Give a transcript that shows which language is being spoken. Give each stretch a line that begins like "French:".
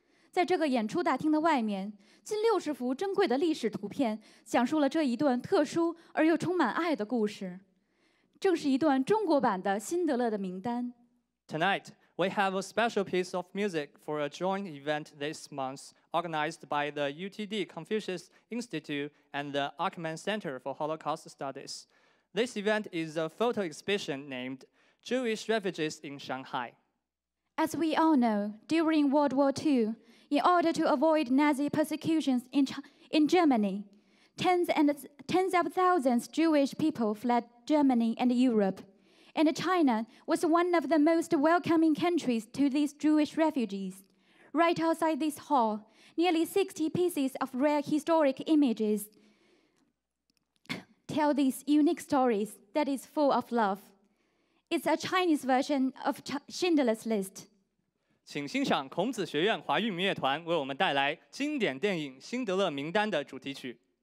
Chinese: 在这个演出大厅的外面，近60幅珍贵的历史图片讲述了这一段特殊而又充满爱的故事，正是一段中国版的《辛德勒的名单》。
English: Tonight, we have a special piece of music for a joint event this month organized by the UTD Confucius Institute and the Ackerman Center for Holocaust Studies. This event is a photo exhibition named Jewish Refugees in Shanghai. As we all know, during World War II,In order to avoid Nazi persecutions in Germany, tens of thousands of Jewish people fled Germany and Europe. And China was one of the most welcoming countries to these Jewish refugees. Right outside this hall, nearly 60 pieces of rare historic images tell these unique stories that is full of love. It's a Chinese version of Schindler's List.
Chinese: 请欣赏孔子学院华语民乐团为我们带来经典电影《辛德勒名单》的主题曲。